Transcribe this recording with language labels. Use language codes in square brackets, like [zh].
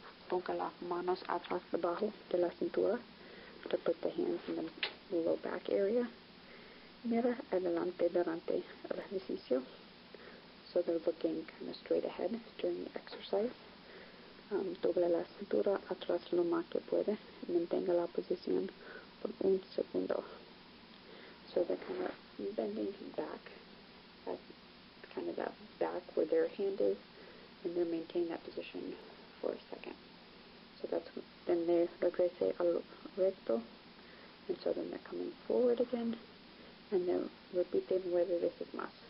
[es] Ponga las manos atrás debajo de la cintura. [en] To put the hands in the low back area. [es] Mira adelante durante el ejercicio. [en] So they're looking kind of straight ahead during the exercise. [es] Doble la cintura atrás lo más que puede. Mantenga la posición por un segundo. [en] So they're kind of bending back, at kind of that back where their hand is, and they're maintaining that position for a second. So that's then they [es] regrese al recto, [en] and so then they're coming forward again, and they're repeating whether this is más.